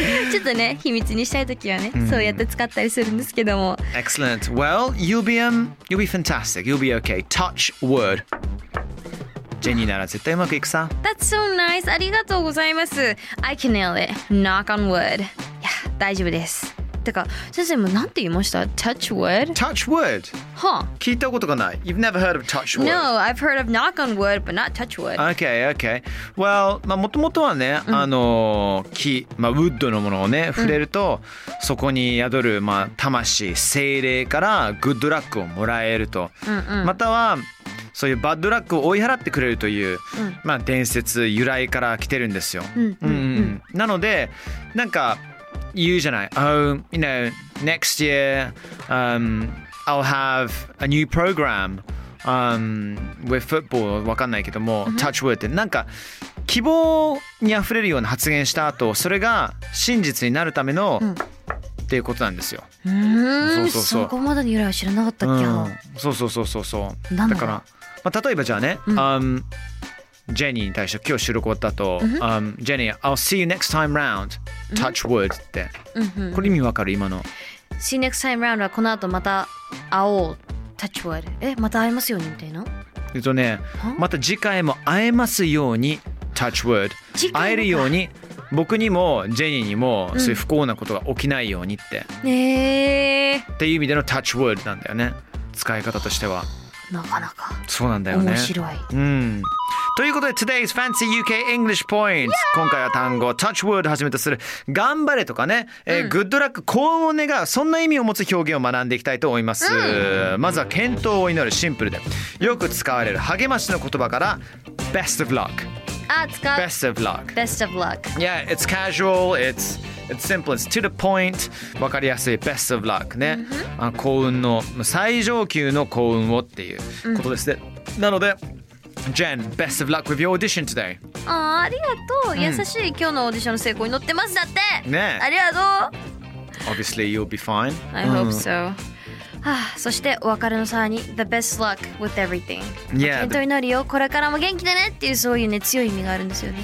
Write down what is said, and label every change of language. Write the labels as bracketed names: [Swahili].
[Japanese] ちょっとね、秘密にしたい時はね、そうやって使ったりするんですけども [English] Excellent. Well, you'll be fantastic. You'll be okay. Touch word. [Japanese] ジェニーなら絶対うまくいくさ [English] That's so nice. [Japanese] ありがとうございます [English] I can nail it. Knock on wood. [Japanese] いや、大丈夫ですてか先生もなんて言いました [English] touch wood touch wood は、huh. [Japanese] 聞いたことがない [English] you've never heard of touch wood no I've heard of knock on wood but not touch wood okay okay well [Japanese] まあもともとはね、 [English] mm. [Japanese] 木まあウッドのものをね触れると、mm. そこに宿るまあ魂精霊からグッドラックをもらえると、 mm-hmm. またはそういうバッドラックを追い払ってくれるという、mm. まあ伝説由来から来てるんですよ、 mm-hmm. うんうん、なのでなんか言うじゃない [English] Oh, you know, next year、I'll have a new program、with football [Japanese] わかんないけども、 [English] mm-hmm. touch wood [Japanese] ってなんか希望にあふれるような発言した後それが真実になるための、mm-hmm. っていうことなんですよ、 mm-hmm. そこまでの由来は知らなかったっけ、うん、そうだから、まあ、例えばじゃあね、mm-hmm. ジェニーに対して今日収録終わった後、mm-hmm. [English] ジェニー I'll see you next time round touch wood って、 mm-hmm. [Japanese] これ意味わかる今の [English] see you next time round [Japanese] はこの後また会おう [English] touch wood [Japanese] え、また会えますようにみたいなね、また次回も会えますように [English] touch wood [Japanese] 会えるように僕にもジェニーにもそういう不幸なことが起きないようにって、うん、っていう意味での touch wood なんだよね使い方としてはなかなかそうなんだよね面白いうんということで [English] Today's Fancy UK English Points [Japanese] 今回は単語 Touch Wood はじめとする頑張れとかね、うん、Good Luck 幸運を願うそんな意味を持つ表現を学んでいきたいと思います、うん、まずは健闘を祈るシンプルでよく使われる励ましの言葉から Best of Luck あ使う [English] Best of Luck Best of Luck Yeah, it's casual, it's simple, it's to the point [Japanese] 分かりやすい [English] Best of Luck [Japanese] ね、うん、幸運の最上級の幸運をっていうことですね、うん、なので [English] Jen, best of luck with your audition today. [Japanese] Ah, ありがとう。優しい。今日のオーディションの成功に乗ってますだって。ね。ありがとう。 [English] Obviously, you'll be fine. I hope so. [Japanese] そしてお別れの際に [English] the best luck with everything. Yeah. [Japanese] 健闘になるよ。これからも元気でねっていうそういうね強い意味があるんですよね。